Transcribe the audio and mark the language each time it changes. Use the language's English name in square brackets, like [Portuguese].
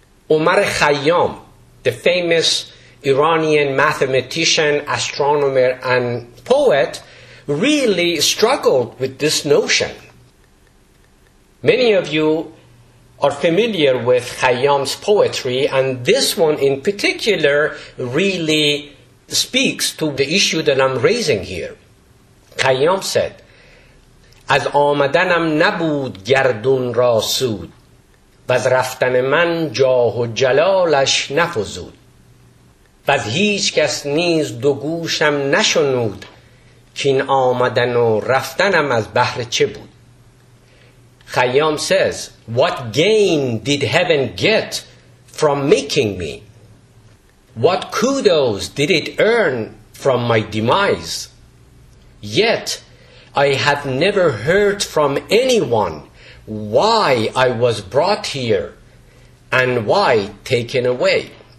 [English] Omar Khayyam, the famous Iranian mathematician, astronomer, and poet, really struggled with this notion. Many of you are familiar with Khayyam's poetry, and this one in particular really speaks to the issue that I'm raising here. [Persian] Khayyam said, از آمدنم نبود گردون را سود و از رفتن من جاه و جلالش نفزود و از هیچ کس نیز دو گوشم نشنود که این آمدن و رفتنم از بحر چه بود. [English] Khayyam says, what gain did heaven get from making me? What kudos did it earn from my demise? Yet, I have never heard from anyone why I was brought here and why taken away.